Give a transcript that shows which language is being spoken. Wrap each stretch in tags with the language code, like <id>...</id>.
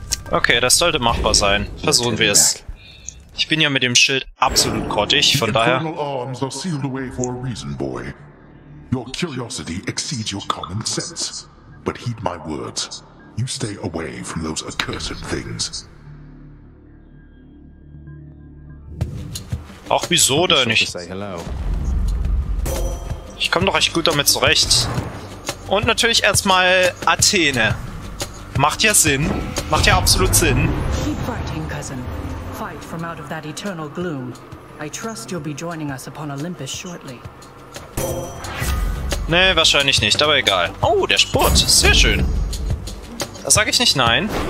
<de>Okay, das sollte machbar sein. Versuchen wir es. Ich bin ja mit dem Schild absolut grottig, von daher... Die infernalen Arme sind</de> <en>sealed away for a reason, boy. Your curiosity exceeds your common sense. But heed my words. You stay away from those accursed things.</en> <de>Ach, wieso denn? Ich komme doch echt gut damit zurecht. Und natürlich erstmal Athene. Macht ja Sinn. Macht ja absolut Sinn.</de> <en>Keep fighting, cousin. Fight from out of that eternal gloom. I trust you'll be joining us upon Olympus shortly.</en> <de>Nee, wahrscheinlich nicht, aber egal. Oh, der Spurt. Sehr schön. Da sage ich nicht nein.</de>